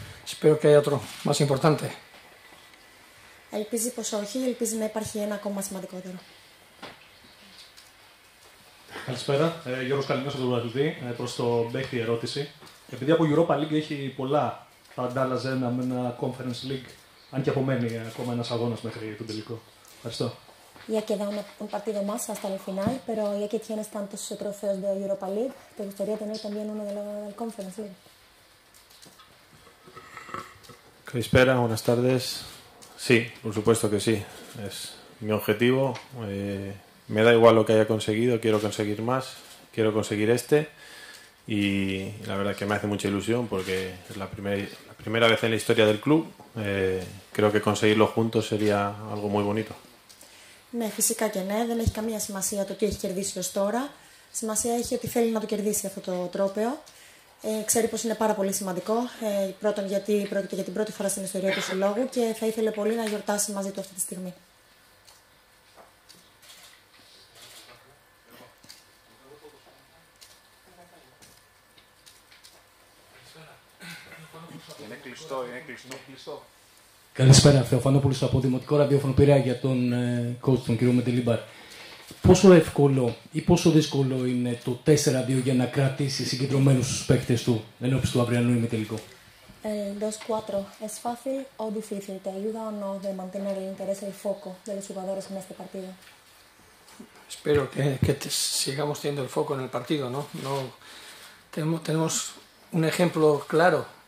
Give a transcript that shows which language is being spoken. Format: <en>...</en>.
<es>Espero que haya otro más importante.</es> <el>Ελπίζει πως όχι, ελπίζει να υπάρχει ένα ακόμα σημαντικότερο. Καλησπέρα, Γιώργος Καλλινός από τον Αθλητή, προς το μπέχτη ερώτηση. Επειδή από Europa League έχει πολλά, θα αντάλλαζε ένα με ένα Conference League, αν και απομένει ακόμα ένας αγώνας μέχρι τον τελικό. Ευχαριστώ.</el> <es>Ya quedaba un partido más hasta el final, pero ya que tienes tantos trofeos de Europa League, ¿te gustaría tener también uno de la Conference League?</es> <el>Καλησπέρα,</el> <es>buenas tardes. Sí, por supuesto que sí. Es mi objetivo. Me da igual lo que haya conseguido, quiero conseguir más, quiero conseguir este. Y la verdad que me hace mucha ilusión porque es la primera vez en la historia del club. Creo que conseguirlo juntos sería algo muy bonito.</es> <el>Ναι, φυσικά και ναι. Δεν έχει καμία σημασία το τι έχει κερδίσει ως τώρα. Σημασία έχει ότι θέλει να το κερδίσει αυτό το τρόπαιο. Ξέρει πως είναι πάρα πολύ σημαντικό. Πρώτον, γιατί πρόκειται για την πρώτη φορά στην ιστορία του συλλόγου και θα ήθελε πολύ να γιορτάσει μαζί του αυτή τη στιγμή. Είναι κλειστό. Καλησπέρα, Θεοφανόπουλος από Δημοτικό Ραδιόφωνο Πειραιά για τον coach, τον κύριο Μεντιλίμπαρ. Πόσο εύκολο ή πόσο δύσκολο είναι το 4-2 για να κρατήσει συγκεντρωμένους τους παίχτες του εν ώψη του αυριανού ημιτελικό?</el> <es>Dos cuatro. Es fácil o difícil? Te ayuda o no de mantener el interés, el foco de los jugadores en este partido? Espero que sigamos teniendo el foco en el partido, ¿no? No tenemos un ejemplo claro.</es>